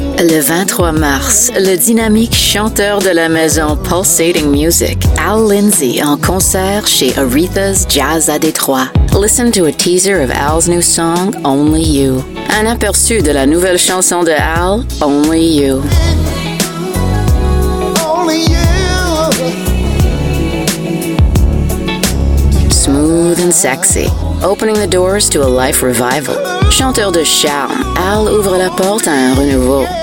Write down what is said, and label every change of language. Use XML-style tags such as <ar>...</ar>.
<fr>Le 23 mars, le dynamique chanteur de la maison Pulsating Music, Al Lindsay, en concert chez Aretha's Jazz à Détroit.</fr> <en>Listen to a teaser of Al's new song, Only You.</en> <fr>Un aperçu de la nouvelle chanson de Al, Only You.</fr> <en>Smooth and sexy, opening the doors to a life revival.</en> <fr>Chanteur de charme, Al ouvre la porte à un renouveau.</fr>